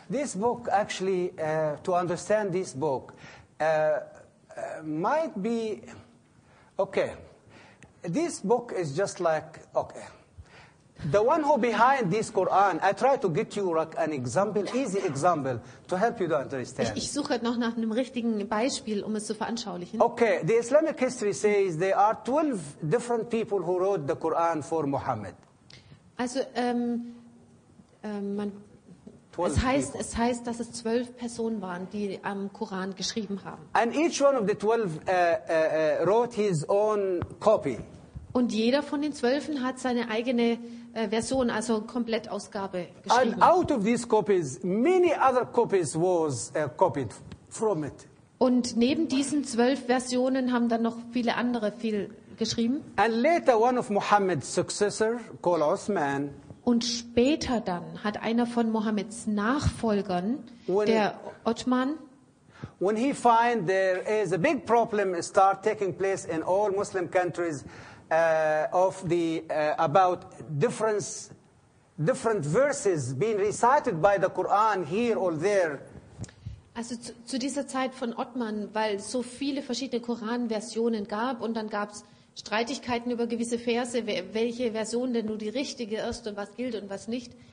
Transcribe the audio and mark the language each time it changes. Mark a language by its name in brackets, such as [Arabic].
[English] This book, actually, to understand this book, might be okay. This book is just like, okay. The one who behind this Quran, I try to get you like an example, easy example, to help you to understand. [German] Ich suche noch nach einem richtigen Beispiel, um es zu veranschaulichen. [English] Okay, the Islamic history says there are 12 different people who wrote the Quran for Muhammad. [German] Also, es heißt, dass es 12 Personen waren, die am Koran geschrieben haben. [English] And each one of the 12 wrote his own copy. [German] Und jeder von den 12 hat seine eigene Version, also Komplettausgabe geschrieben. [English] And out of these copies, many other copies was copied from it. [German] Und neben diesen 12 Versionen haben dann noch viele andere viel geschrieben. [English] And later one of Muhammad's successor, called Osman. [German] Und später dann hat einer von Mohammeds Nachfolgern, der Othman, [English] when he find there is a big problem start taking place in all Muslim countries of the about different verses being recited by the Quran here or there. [German] Also zu dieser Zeit von Othman, weil so viele verschiedene Koranversionen gab und dann gab's Streitigkeiten über gewisse Verse, welche Version denn nur die richtige ist und was gilt und was nicht.